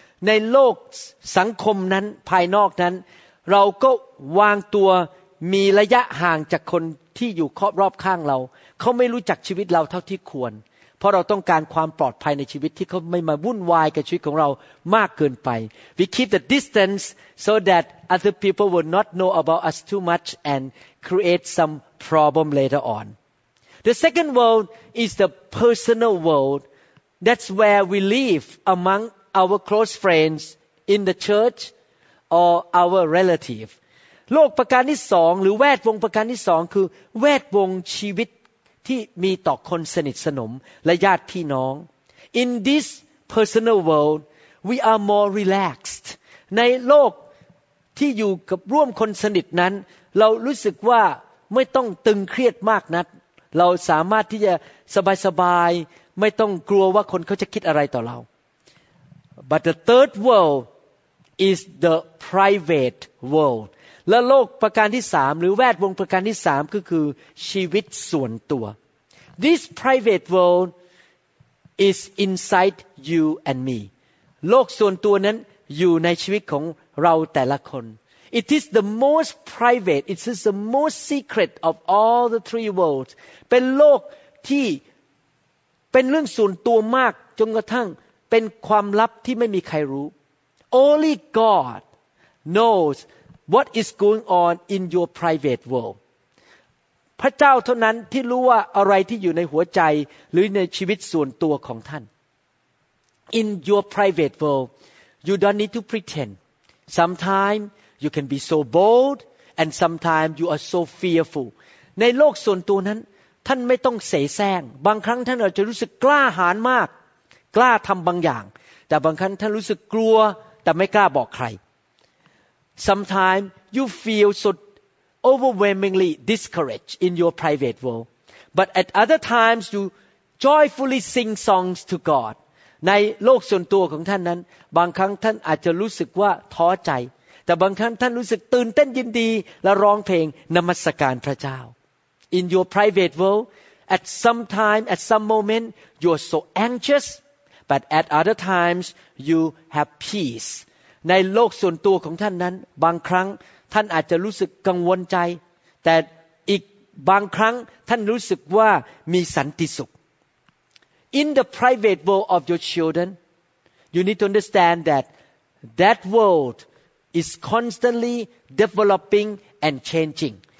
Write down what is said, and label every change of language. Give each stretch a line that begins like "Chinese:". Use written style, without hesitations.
Thai: ในโลกสังคมนั้นภายนอกนั้นเราก็วางตัวมีระยะห่างจากคนที่อยู่ครอบรอบข้างเราเขาไม่รู้จักชีวิตเราเท่าที่ควรเพราะเราต้องการความปลอดภัยในชีวิตที่เขาไม่มาวุ่นวายกับชีวิตของเรามากเกินไป
English: We keep the distance so that other people will not know about us too much and create some problem later on. The second world is the personal world. That's where we live among our close friends in the church. Or our relative.
Thai: โลกประการที่สองหรือแวดวงประการที่สองคือแวดวงชีวิตที่มีต่อคนสนิทสนมและญาติพี่น้อง
English: In this personal world, we are more relaxed.
Thai: ในโลกที่อยู่กับร่วมคนสนิทนั้นเรารู้สึกว่าไม่ต้องตึงเครียดมากนักเราสามารถที่จะสบายๆไม่ต้องกลัวว่าคนเขาจะคิดอะไรต่อเรา
English: But the third worldIs the private world.
Thai: และโลกประการที่สามหรือแวดวงประการที่สามก็คือชีวิตส่วนตัว
English: This private world is inside you and me.
Thai: โลกส่วนตัวนั้นอยู่ในชีวิตของเราแต่ละคน
English: It is the most private. It is the most secret of all the three worlds.
Thai: เป็นโลกที่เป็นเรื่องส่วนตัวมากจนกระทั่งเป็นความลับที่ไม่มีใครรู้
English: Only God knows what is going on in your private world.
Thai: พระเจ้าเท่านั้นที่รู้ว่าอะไรที่อยู่ในหัวใจหรือในชีวิตส่วนตัวของท่าน
English: In your private world, you don't need to pretend. Sometimes you can be so bold, and sometimes you are so fearful.
Thai: ในโลกส่วนตัวนั้นท่านไม่ต้องเสแสร้งบางครั้งท่านอาจจะรู้สึกกล้าหาญมากกล้าทำบางอย่างแต่บางครั้งท่านรู้สึกกลัวแต่ไม่กล้าบอกใคร
English: Sometimes you feel so overwhelmingly discouraged in your private world. But at other times, you joyfully sing songs to God.
Thai: ในโลกส่วนตัวของท่านนั้นบางครั้งท่านอาจจะรู้สึกว่าท้อใจแต่บางครั้งท่านรู้สึกตื่นเต้นยินดีและร้องเพลงนมัสการพระเจ้า
English: In your private world, at some time, at some moment, you are so anxious. But at other times, you have peace.
Thai: ในโลกส่วนตัวของท่านนั้นบางครั้งท่านอาจจะรู้สึกกังวลใจแต่อีกบางครั้งท่านรู้สึกว่ามีสันติสุข
English: In the private world of your children, you need to understand that that world is constantly developing and changing.